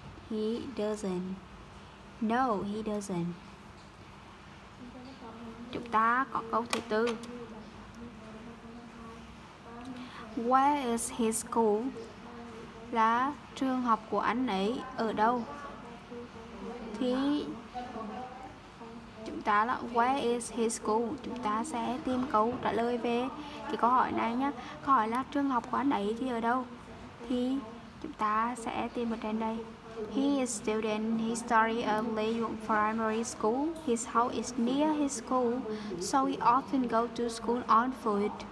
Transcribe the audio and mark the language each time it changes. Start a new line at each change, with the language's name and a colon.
English: He doesn't. No, he doesn't.
Vietnamese: Chúng ta có câu thứ tư.
English: Where is his school?
Vietnamese: Là trường học của anh ấy ở đâu? Thì chúng ta là
English: where is his school?
Vietnamese: Chúng ta sẽ tìm câu trả lời về cái câu hỏi này nhé. Câu hỏi là trường học của anh ấy thì ở đâu? Thì chúng ta sẽ tìm ở trên đây.
English: He is a student. He studies at Luyện primary school. His house is near his school, so he often goes to school on foot.